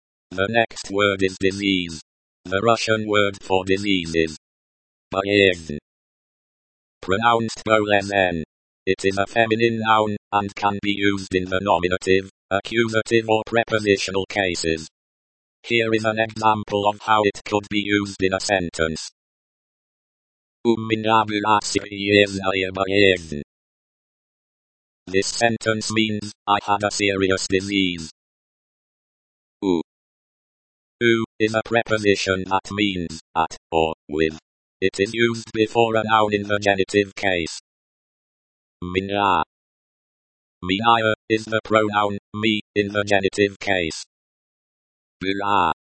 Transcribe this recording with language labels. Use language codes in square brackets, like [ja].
[en] The next word is disease. The Russian word for disease is болезнь. Pronounced болезнь. It is a feminine noun and can be used in the nominative, accusative or prepositional cases. Here is an example of how it could be used in a sentence. [ru] У меня была серьезная болезнь. [en] This sentence means, I had a serious disease. У is a preposition that means, at, or, with. It is used before a noun in the genitive case. Меня. Меня is the pronoun, me, in the genitive case. Была.